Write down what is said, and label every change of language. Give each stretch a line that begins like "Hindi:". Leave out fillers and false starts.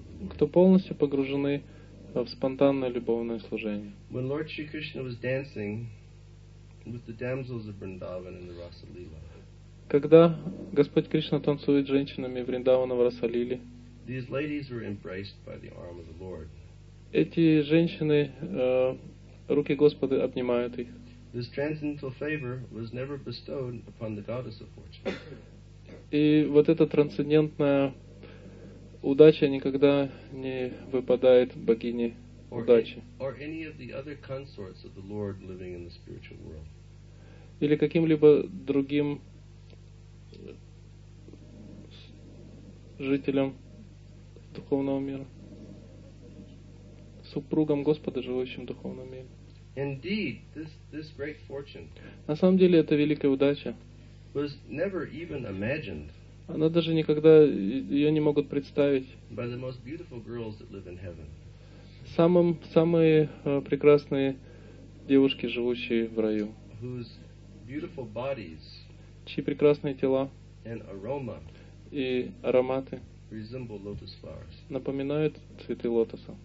Russian: кто полностью погружены в спонтанное любовное служение.
English: When Lord Shri Krishna was dancing with the damsels of Vrindavan in the Rasa Lila,
Russian: когда Господь Кришна танцует с женщинами Вриндавана в Расалиле,
English: these ladies were embraced by the arm of the Lord.
Russian: Эти женщины, руки Господа обнимают их.
English: This transcendental favor was never bestowed upon the goddess of fortune.
Russian: И вот эта трансцендентная удача никогда не выпадает богине удачи.
English: Or any of the other consorts of the Lord living in the spiritual world.
Russian: Или каким-либо другим жителям духовного мира, супругам Господа, живущим в духовном мире.
English: Indeed, this great fortune.
Russian: На самом деле, это великая удача.
English: Was never even imagined.
Russian: Она даже никогда ее не могут представить.
English: By the most beautiful girls that live in heaven.
Russian: Самые прекрасные девушки, живущие в раю.
English: Whose beautiful bodies.
Russian: Чьи прекрасные тела.
English: And aroma.
Russian: И ароматы.
English: Resemble lotus flowers.
Russian: Напоминают цветы лотоса.